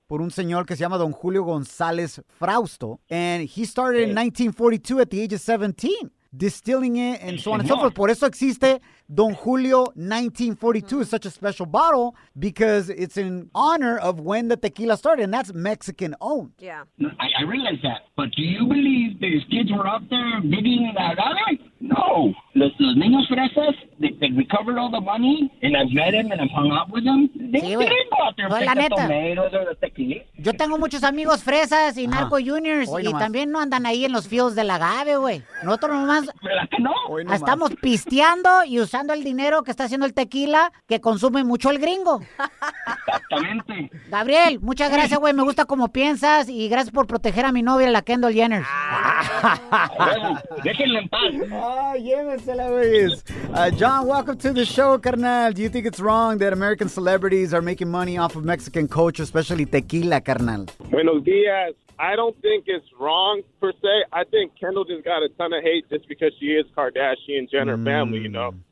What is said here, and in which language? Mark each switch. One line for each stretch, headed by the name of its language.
Spanish: por un señor que se llama Don Julio González Frausto.
English: And he started in 1942 at the age of 17, distilling it and so on and so forth.
Spanish: Por eso existe Don Julio 1942. Mm-hmm.
English: Such a special bottle because it's in honor of when the tequila started, and that's Mexican owned. Yeah. I realize that, but do you believe these kids were out there digging the agave? No.
Spanish: Los niños fresas,
English: they recovered all the money, and I've met them and I've hung out with them. They didn't go out there picking the tomatoes or the tequila.
Spanish: Yo tengo muchos amigos fresas y narco juniors, y también no andan ahí en los fields del agave, güey. Nosotros nomás. ¿Verdad que no? Estamos pisteando y usando el dinero que está haciendo el tequila, que consume mucho el gringo. Exactamente. Gabriel, muchas gracias, güey. Me gusta cómo piensas y gracias por proteger a mi novia, la Kendall Jenner. Déjenla en paz. Llévensela, güey.
English: John, welcome to the show, carnal. Do you think it's wrong that American celebrities are making money off of Mexican culture, especially tequila, carnal?
Spanish: Buenos días.
English: I don't think it's wrong, per se. I think Kendall just got a ton of hate just because she is Kardashian Jenner family, you know.